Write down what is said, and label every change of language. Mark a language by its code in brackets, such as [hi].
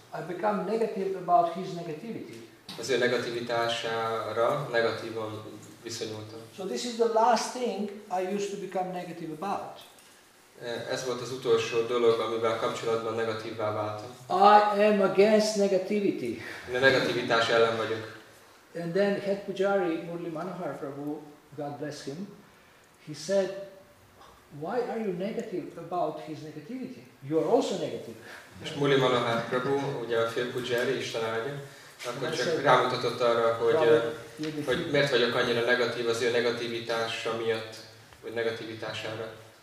[en] I become negative about his negativity. [hu] Az ő negativitására negatívan viszonyultam. [en] So this is the last thing I used to become negative about. [hu] Ez volt az utolsó dolog, amivel kapcsolatban negatívvá váltam. [en] I am against negativity. [hu] A negativitás ellen vagyok. [en] And then Head Pujari Murli Manohar Prabhu, God bless him, he said, why are you negative about his negativity? You are also negative. [hu] És Murli Manohar Prabhu, ugye a Fél Pujari, Isten áldja, akkor csak rámutatott arra, hogy miért vagyok annyira negatív az ő negativitása miatt, vagy negativitására.